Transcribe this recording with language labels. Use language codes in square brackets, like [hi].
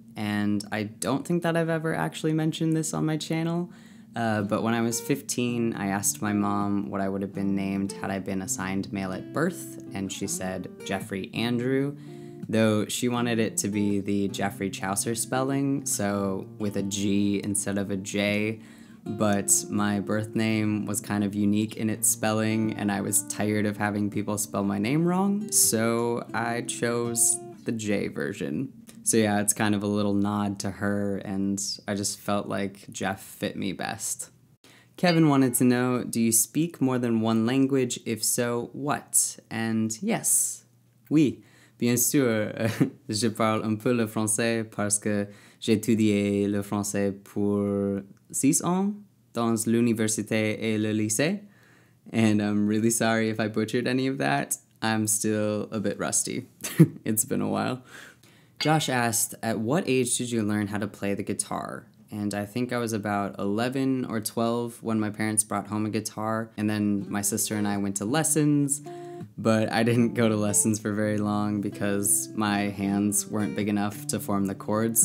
[en] And I don't think that I've ever actually mentioned this on my channel, but when I was 15, I asked my mom what I would have been named had I been assigned male at birth, and she said Jeffrey Andrew, though she wanted it to be the Jeffrey Chaucer spelling, so with a G instead of a J, but my birth name was kind of unique in its spelling, and I was tired of having people spell my name wrong, so I chose the J version. So yeah, it's kind of a little nod to her, and I just felt like Jeff fit me best. Kevin wanted to know, do you speak more than one language? If so, what? And yes, [fr] oui, bien sûr, je parle un peu le français parce que j'ai étudié le français pour 6 ans, dans l'université et le lycée. [en] And I'm really sorry if I butchered any of that. I'm still a bit rusty. It's been a while. Josh asked, at what age did you learn how to play the guitar? And I think I was about 11 or 12 when my parents brought home a guitar. And then my sister and I went to lessons, but I didn't go to lessons for very long because my hands weren't big enough to form the chords.